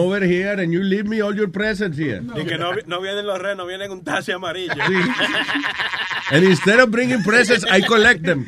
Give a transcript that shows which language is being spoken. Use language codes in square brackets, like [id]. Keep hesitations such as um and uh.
[en] over here and you leave me all your presents here? [es] No. Y que no, no vienen los renos, vienen un taxi amarillo. Sí. [en] and instead of bringing presents, I collect them.